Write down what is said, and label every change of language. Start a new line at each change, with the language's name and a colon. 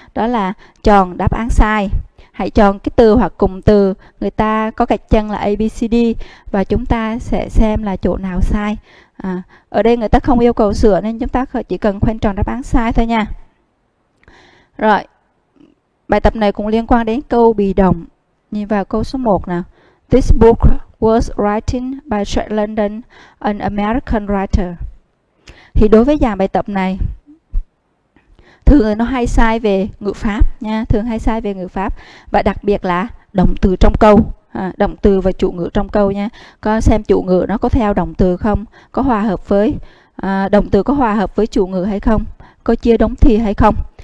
Vietnamese: Đó là chọn đáp án sai. Hãy chọn cái từ hoặc cụm từ người ta có gạch chân là ABCD và chúng ta sẽ xem là chỗ nào sai. À, ở đây người ta không yêu cầu sửa nên chúng ta chỉ cần khoanh tròn đáp án sai thôi nha. Rồi, bài tập này cũng liên quan đến câu bị động. Nhìn vào câu số 1 nè.
English: This book was written by Jack London, an American writer.
Vietnamese: Thì đối với dàn bài tập này, thường nó hay sai về ngữ pháp nha, thường hay sai về ngữ pháp và đặc biệt là động từ trong câu, động từ và chủ ngữ trong câu nha. Có xem chủ ngữ nó có theo động từ không, có hòa hợp với động từ có hòa hợp với chủ ngữ hay không, có chia đống thì hay không.